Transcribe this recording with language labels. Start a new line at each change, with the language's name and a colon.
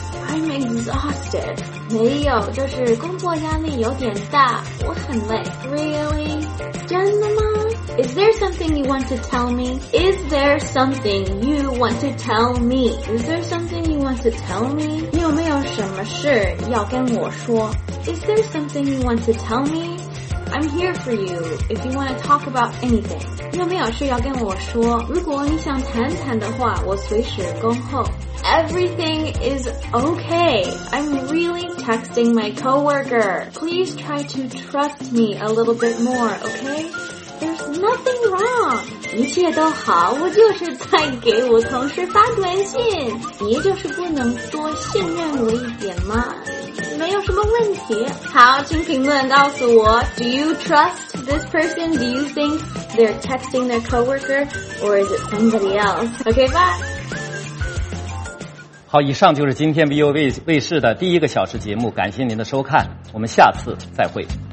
English: I'm exhausted.
Chinese: 没有，就是工作压力有点大，我很累。
English: Really?
Chinese: 真的吗？
English: Is there something you want to tell me? Is there something you want to tell me? Is there something you want to tell me?
Chinese: 你有没有什么事要跟我说？
English: Is there something you want to tell me? I'm here for you if you want to talk about anything.
Chinese: 你有没有事要跟我说？如果你想谈谈的话，我随时恭候。
English: Everything is okay. I'm really texting my coworker. Please try to trust me a little bit more, okay? There's nothing wrong.
Chinese: 一切都好，我就是在给我同事发短信。你就是不能多信任我一点吗？没有什么问题。好，请评论告诉我 ，
English: Do you trust this person? Do you think they're texting their coworker, or is it somebody else? Okay, bye.
Chinese: 好，以上就是今天 VOA 卫视的第一个小时节目，感谢您的收看，我们下次再会。